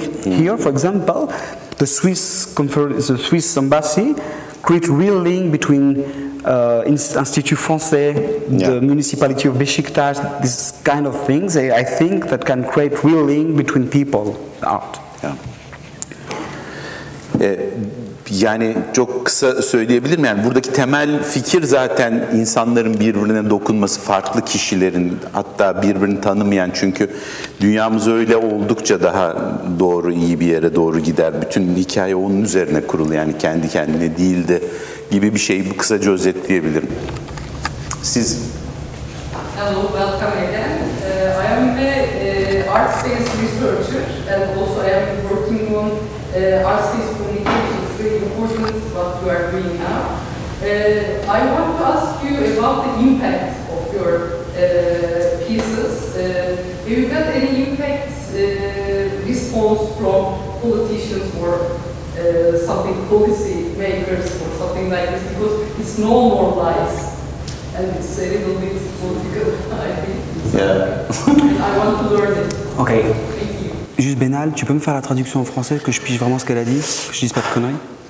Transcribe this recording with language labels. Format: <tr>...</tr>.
<en>Mm-hmm. Here, for example, the Swiss embassy create real link between Institut Français, yeah. the municipality of Besiktas, this kind of things, I think, that can create real link between people, art. Yeah.</en> <tr>Yani çok kısa söyleyebilir miyim? Yani buradaki temel fikir zaten insanların birbirine dokunması, farklı kişilerin hatta birbirini tanımayan, çünkü dünyamız öyle oldukça daha doğru, iyi bir yere doğru gider. Bütün hikaye onun üzerine kurulu, yani kendi kendine değil de gibi bir şeyi bu kısaca özetleyebilirim. Siz?</tr> <en>Hello, welcome again. I am the art space researcher and also I am working on art space communication. It's very important what you are doing now. I want to ask you about the impact of your pieces. Have you got any impact response from politicians or something policy makers or something like this? Because it's normalized and it's a little bit political, I think. Yeah. I want to learn it. Okay.</en> <fr>Juste Bénal, tu peux me faire la traduction en français, que je pige vraiment ce qu'elle a dit, que je dise pas de conneries.</fr>